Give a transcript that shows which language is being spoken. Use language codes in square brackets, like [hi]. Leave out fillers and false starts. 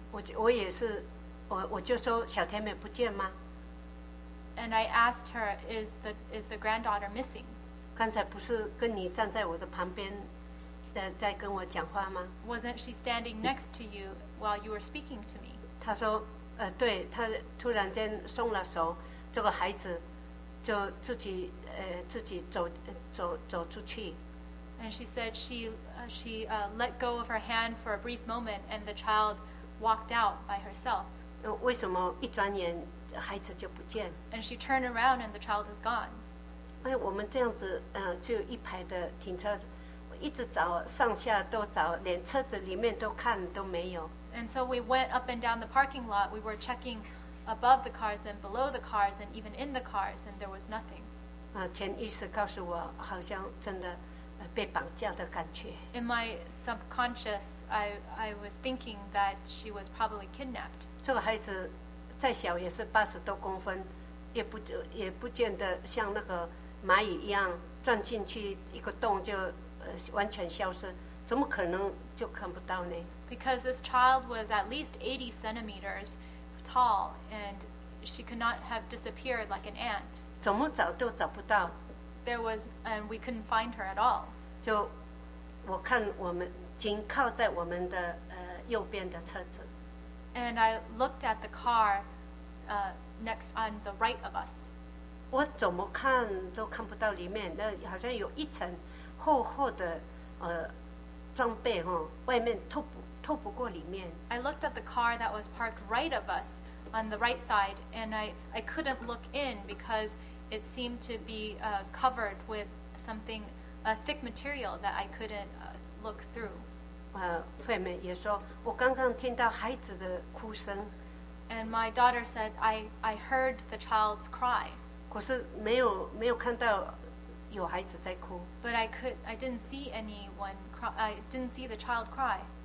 [zh] 我也是，我就说小甜美不见吗？ [en] And I asked her, is the granddaughter missing? [zh] 刚才不是跟你站在我的旁边。在跟我讲话吗？ [en] Wasn't she standing next to you while you were speaking to me? [zh] 她说，对，她突然间松了手，这个孩子就自己走出去。 [en] And she said she let go of her hand for a brief moment, and the child walked out by herself. [zh] 为什么一转眼孩子就不见？ [en] And she turned around, and the child is gone. [zh] 我们这样子，就一排的停车。一直找上下都找连车子里面都看都没有。 [en] And so we went up and down the parking lot. We were checking above the cars and below the cars and even in the cars and there was nothing. [zh] 潜意识告诉我好像真的被绑架的感觉。 [en] In my subconscious, I was thinking that she was probably kidnapped. [zh] 这个孩子再小也是80多公分，也不见得像那个蚂蚁一样钻进去一个洞就完全消失，怎么可能就看不到呢？ [en] Because this child was at least 80 centimeters tall, and she could not have disappeared like an ant. [zh] 怎么找都找不到。 [en] There was, and we couldn't find her at all. [zh] 就我看我们紧靠在我们的右边的车子。 [en] And I looked at the car next on the right of us. [zh] 我怎么看都看不到里面，那好像有一层。厚厚的装备哦，外面透不过里面。 [en] I looked at the car that was parked right of us on the right side, and I couldn't look in because it seemed to be covered with something a thick material that I couldn't look through. [zh] 惠美也说，我刚刚听到孩子的哭声。 [en] And my daughter said I heard the child's cry. [zh] 可是没有看到。有孩子在哭。 [en] But I didn't see anyone cry. I didn't see the child cry.